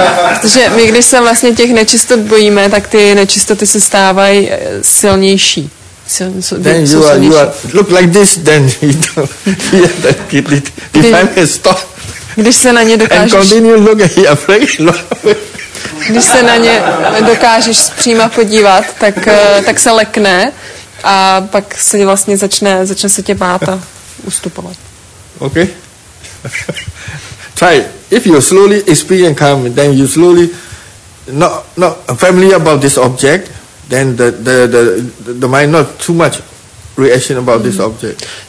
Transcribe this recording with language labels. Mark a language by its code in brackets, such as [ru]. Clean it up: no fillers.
[cs] Protože my když se vlastně těch nečistot bojíme, tak ty nečistoty se stávají silnější. [en] Then you are look like this, then you know, yeah, that if I can stop. [cs] Když se na ně dokážeš. [en] And continue look at your face. [cs] Když se na ně dokážeš přímo podívat, tak se lekne a pak se vlastně začne se tě bát a ustupovat. [en] Okay. Try. If you slowly experience calm, then you slowly not familiar about this object. Then the mind not too much reaction about this object.